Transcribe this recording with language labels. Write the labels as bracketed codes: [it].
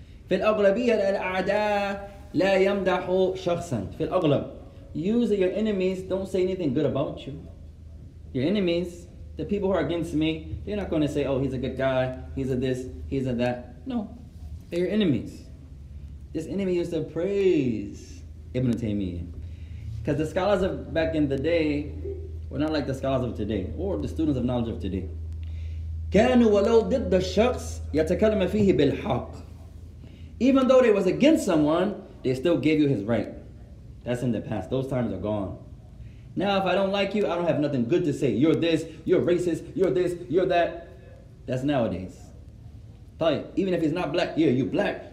[ar] في الأغلبية الأعداء لا يمدح شخصا. في الأغلب, [en] usually your enemies don't say anything good about you. Your enemies, the people who are against me, they're not going to say, oh, he's a good guy, he's a this, he's a that. No, they're your enemies. This enemy used to praise Ibn Taymiyyah. Because the scholars of back in the day were not like the scholars of today, or the students of knowledge of today. [ar] كانوا ولو ضد الشخص يتكلم فيه بالحق. [en] Even though they was against someone, they still gave you his right. That's in the past. Those times are gone. Now, if I don't like you, I don't have nothing good to say. You're this, you're racist, you're this, you're that. That's nowadays. طيب, even if he's not black, yeah, you black.